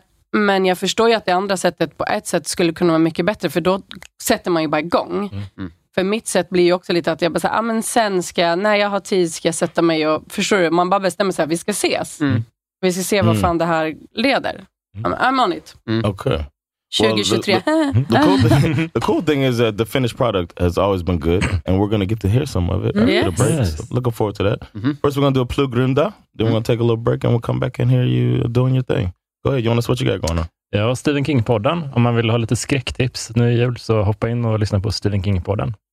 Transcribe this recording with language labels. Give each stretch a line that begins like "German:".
Swedish: Men jag förstår ju att det andra sättet på ett sätt skulle kunna vara mycket bättre, för då sätter man ju bara igång. För mitt sätt blir ju också lite att jag bara säger, ja men sen ska jag, när jag har tid ska jag sätta mig och, förstår du, man bara bestämmer sig, vi ska ses. Vi ska se vad fan det här leder.
English: I'm on it. Okay. 2023. Well, the cool thing is that the finished product has always been good, and we're going to get to hear some of it after the break. Yes. So looking forward to that. First, we're going to do a plugrunda. Then we're going to take a little break, and we'll come back and hear you doing your thing. Go ahead, Jonas, what you got going on?
Swedish: Ja, Stephen King-podden. Om man vill ha lite skräcktips nu i jul, så hoppa in och lyssna på Stephen King-podden.